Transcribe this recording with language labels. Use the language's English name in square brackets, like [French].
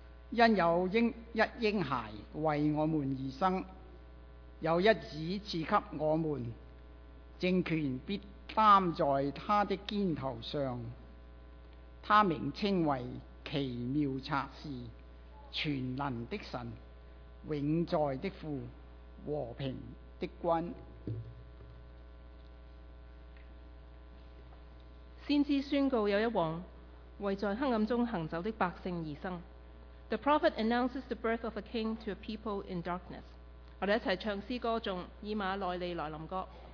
[Chinese] 因有一婴孩为我们而生，有一子赐给我们，政权必担在他的肩头上，他名称为奇妙策士、全能的神、永在的父、和平的君。先知宣告有一王为在黑暗中行走的百姓而生。 [English] The prophet announces the birth of a king to a people in darkness. [Chinese] 我们一起唱诗歌颂《以马内利来临歌》。